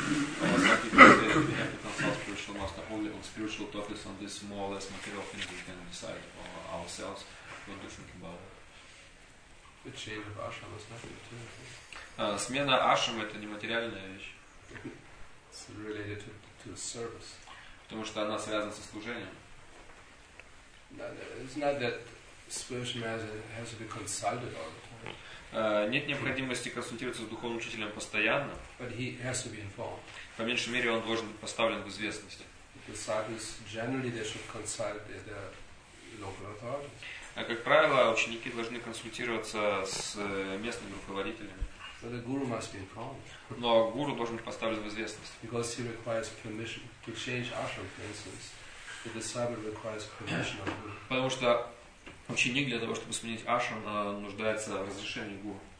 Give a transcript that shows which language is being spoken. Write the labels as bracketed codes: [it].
[en] Some people say that we have to consult spiritual master only on spiritual topics, on this more or less material things we can decide for ourselves. What do you think about it? The change of ashram is not material. [ru] Смена ашрама это не материальная вещь. [en] It's related to the service. [ru] Потому что она связана со служением. [en] It's not that spiritual master has to be consulted all the time. [ru] Нет необходимости консультироваться с духовным учителем постоянно. [en] But he has to be informed. [ru] По меньшей мере, он должен быть поставлен в известность. А как правило, ученики должны консультироваться с местными руководителями. [en] But the guru must be informed. [ru] Но гуру должен быть поставлен в известность. [en] Because he requires permission to change ashram, for instance. The disciple requires permission of guru. [ru] Потому что ученик для того, чтобы сменить ашрам, нуждается в разрешении гуру.